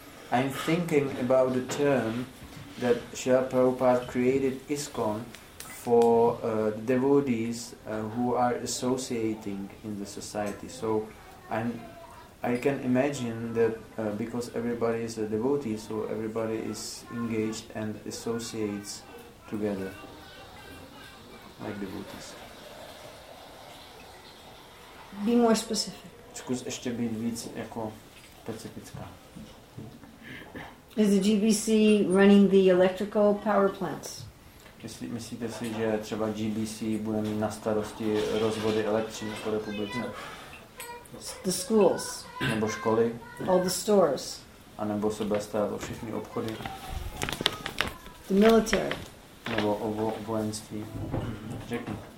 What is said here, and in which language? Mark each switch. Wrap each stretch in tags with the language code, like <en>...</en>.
<en>I'm thinking about the term that Srila Prabhupada created ISKCON for the devotees who are associating in the society. So I can imagine that because everybody is a devotee, so everybody is engaged and associates together like devotees. Mm-hmm. Be more specific.</en> <cs>Zkus ještě být víc jako specifická.</cs> <en>Is the GBC running the electrical power plants?</en> <cs>Myslíte si, že třeba GBC bude mít na starosti rozvody elektřiny po republice?</cs> <en>The schools.</en> <cs>Nebo školy.</cs> <en>All the stores.</en> <cs>A nebo se bude starat o všechny obchody.</cs> <en>The military.</en> <cs>Nebo o vojenství. Řekni.</cs>